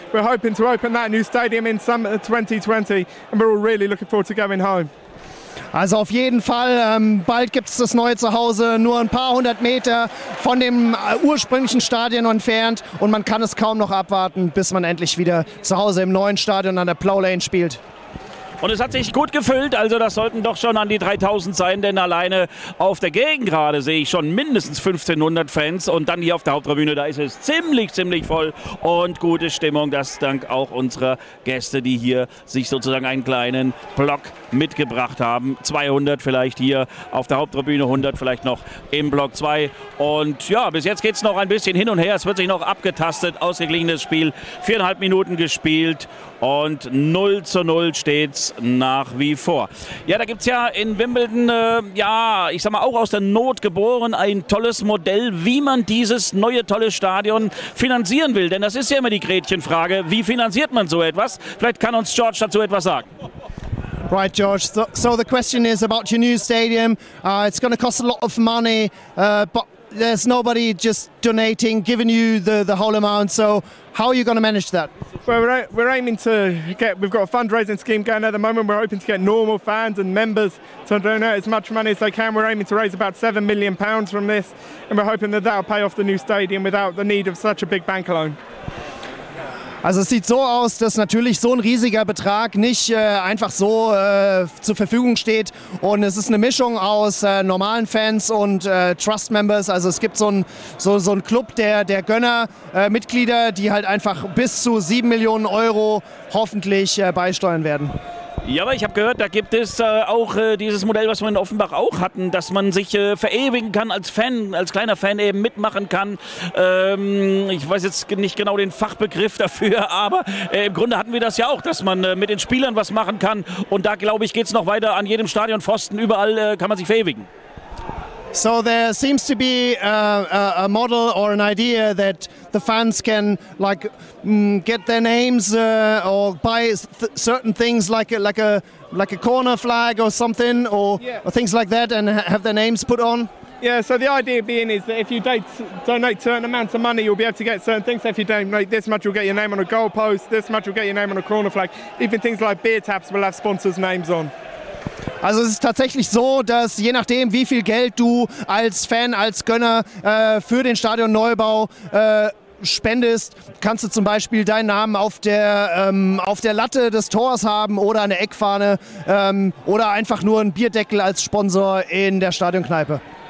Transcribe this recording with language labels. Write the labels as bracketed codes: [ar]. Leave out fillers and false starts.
[en] We're hoping to open that new stadium in summer 2020, and we're all really looking forward to going home. [de] Also auf jeden Fall, bald gibt es das neue Zuhause, nur ein paar hundert Meter von dem ursprünglichen Stadion entfernt und man kann es kaum noch abwarten, bis man endlich wieder zu Hause im neuen Stadion an der Plough Lane spielt. Und es hat sich gut gefüllt, also das sollten doch schon an die 3000 sein, denn alleine auf der Gegengerade sehe ich schon mindestens 1500 Fans. Und dann hier auf der Haupttribüne, da ist es ziemlich, ziemlich voll und gute Stimmung. Das dank auch unserer Gäste, die hier sich sozusagen einen kleinen Block mitgebracht haben. 200 vielleicht hier auf der Haupttribüne, 100 vielleicht noch im Block 2. Und ja, bis jetzt geht es noch ein bisschen hin und her. Es wird sich noch abgetastet, ausgeglichenes Spiel. 4,5 Minuten gespielt und 0:0 steht es nach wie vor. Ja, da gibt es ja in Wimbledon, ja, ich sag mal, auch aus der Not geboren, ein tolles Modell, wie man dieses neue tolle Stadion finanzieren will. Denn das ist ja immer die Gretchenfrage, wie finanziert man so etwas? Vielleicht kann uns George dazu etwas sagen. [en] Right, George. So the question is about your new stadium. It's going to cost a lot of money, but there's nobody just donating, giving you the whole amount. So how are you going to manage that? Well, we're aiming to get, we've got a fundraising scheme going at the moment. We're hoping to get normal fans and members to donate as much money as they can. We're aiming to raise about £7 million from this, and we're hoping that that'll pay off the new stadium without the need of such a big bank loan. [de] Also es sieht so aus, dass natürlich so ein riesiger Betrag nicht einfach so zur Verfügung steht. Und es ist eine Mischung aus normalen Fans und Trust Members. Also es gibt so einen Club der Gönner, Mitglieder, die halt einfach bis zu 7 Millionen Euro hoffentlich beisteuern werden. Ja, aber ich habe gehört, da gibt es auch dieses Modell, was wir in Offenbach auch hatten, dass man sich verewigen kann als Fan, als kleiner Fan eben mitmachen kann. Ich weiß jetzt nicht genau den Fachbegriff dafür, aber im Grunde hatten wir das ja auch, dass man mit den Spielern was machen kann. Und da, glaube ich, geht es noch weiter an jedem Stadionpfosten. Überall kann man sich verewigen. [en] So there seems to be a model or an idea that the fans can like get their names or buy certain things like a corner flag or something or things like that and have their names put on. Yeah, so the idea being is that if you donate certain amounts of money, you'll be able to get certain things. If you donate this much, you'll get your name on a goalpost, this much you'll get your name on a corner flag. Even things like beer taps will have sponsors' names on. [de] Also es ist tatsächlich so, dass je nachdem, wie viel Geld du als Fan, als Gönner für den Stadionneubau spendest, kannst du zum Beispiel deinen Namen auf der Latte des Tors haben oder eine Eckfahne oder einfach nur einen Bierdeckel als Sponsor in der Stadionkneipe.